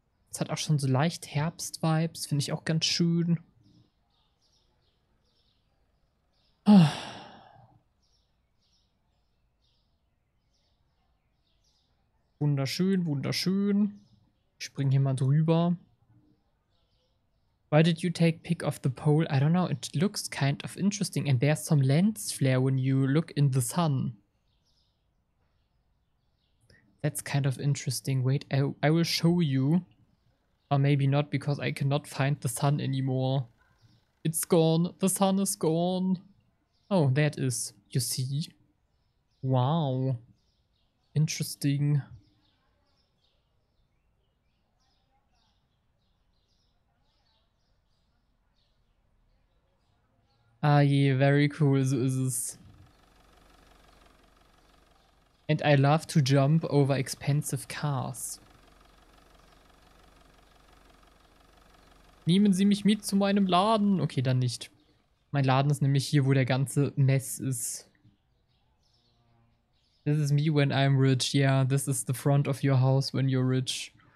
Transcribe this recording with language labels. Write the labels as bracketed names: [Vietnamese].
[German] Es hat auch schon so leicht Herbst-Vibes, finde ich auch ganz schön. Wunderschön, wunderschön. Ich spring hier mal drüber. [English] Why did you take pick of the pole? I don't know. It looks kind of interesting. And there's some lens flare when you look in the sun. That's kind of interesting. Wait, I will show you. Or maybe not, because I cannot find the sun anymore. It's gone. The sun is gone. Oh, there it is. You see? Wow. Interesting. [German] Ah je, [English] very cool, [German] so ist es. [English] And I love to jump over expensive cars. [German] Nehmen Sie mich mit zu meinem Laden? Okay, dann nicht. Mein Laden ist nämlich hier, wo der ganze Mess ist. [English] This is me when I'm rich. Yeah, this is the front of your house when you're rich.